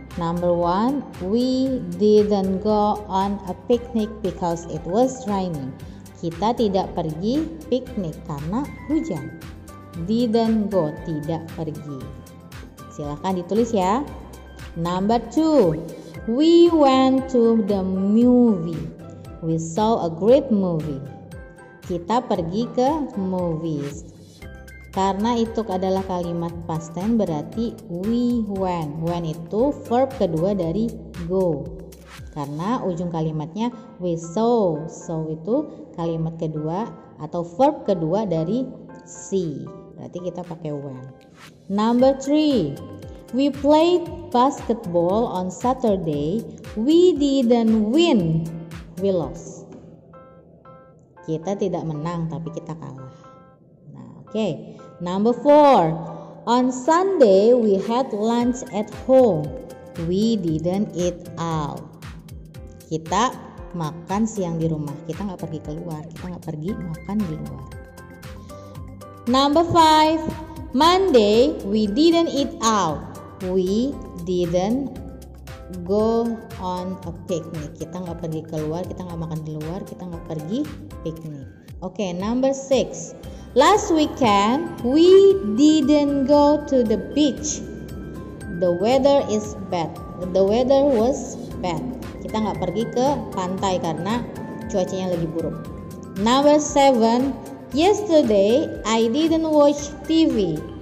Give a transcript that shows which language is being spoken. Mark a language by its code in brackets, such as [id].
[en] Number one, we didn't go on a picnic because it was raining. [id] Kita tidak pergi piknik karena hujan. [en] Didn't go, [id] tidak pergi. Silakan ditulis ya. [en] Number two, we went to the movie. We saw a great movie. [id] Kita pergi ke [en] movies. [id] Karena itu adalah kalimat past tense, berarti we went. When itu verb kedua dari go. Karena ujung kalimatnya [en] we saw. [id] So itu kalimat kedua atau verb kedua dari see. Berarti kita pakai went. [en] Number three, we played basketball on Saturday. We didn't win. We lost. [id] Kita tidak menang, tapi kita kalah. Nah, okay. [en] Number four, on Sunday we had lunch at home. We didn't eat out. [id] Kita makan siang di rumah. Kita nggak pergi keluar. Kita nggak pergi makan di luar. [en] Number five, Monday we didn't eat out. We didn't go on a picnic. [id] Kita gak pergi keluar, kita gak makan di luar, kita gak pergi piknik. [en] Okay, number six. Last weekend, we didn't go to the beach. The weather is bad. The weather was bad. [id] Kita nggak pergi ke pantai karena cuacanya lagi buruk. [en] Number 7. Yesterday I didn't watch TV.